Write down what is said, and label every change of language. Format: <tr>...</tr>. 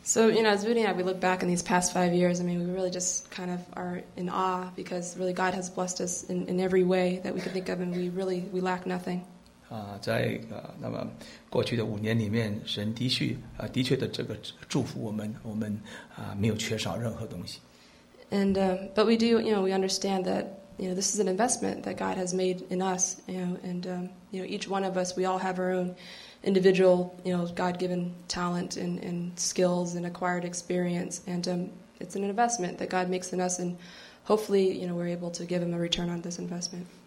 <en>you know, as Vudi and I, we look back in these past 5 years. I mean, we really just kind of are in awe because really God has blessed us in every way that we can think of, and we really lack nothing.</en> <zh>在那么过去的5年里面，神的确的这个祝福我们，我们没有缺少任何东西。</zh> <en>And but we do, you know, we understand that. You know, this is an investment that God has made in us, you know, and, you know, each one of us, we all have our own individual, you know, God-given talent and skills and acquired experience, and it's an investment that God makes in us, and hopefully, you know, we're able to give him a return on this investment.</en>